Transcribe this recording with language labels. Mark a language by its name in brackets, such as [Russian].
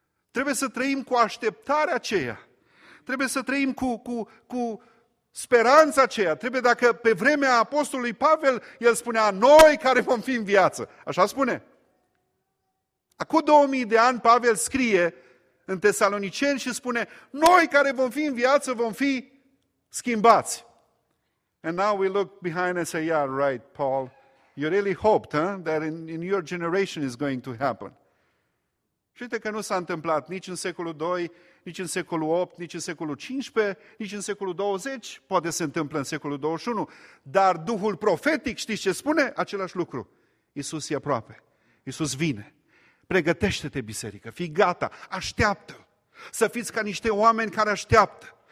[Romanian] Trebuie să trăim cu așteptarea aceea. Trebuie să trăim cu speranța aceea. Trebuie, dacă pe vremea apostolului Pavel, el spunea: noi care vom fi în viață. Așa spune. Acum 2000 de ani Pavel scrie în Tesaloniceni și spune: noi care vom fi în viață vom fi schimbați. [English] And now we look behind and say, yeah, right, Paul. You really hoped, huh, that in your generation is going to happen. [Romanian] Și uite că nu s-a întâmplat nici în secolul 2, nici în secolul 8, nici în secolul 15, nici în secolul 20, poate se întâmplă în secolul 21, dar Duhul profetic, știți ce spune? Același lucru. Iisus e aproape. Iisus vine. Pregătește-te, biserică, fii gata, așteaptă. Să fiți ca niște oameni care așteaptă.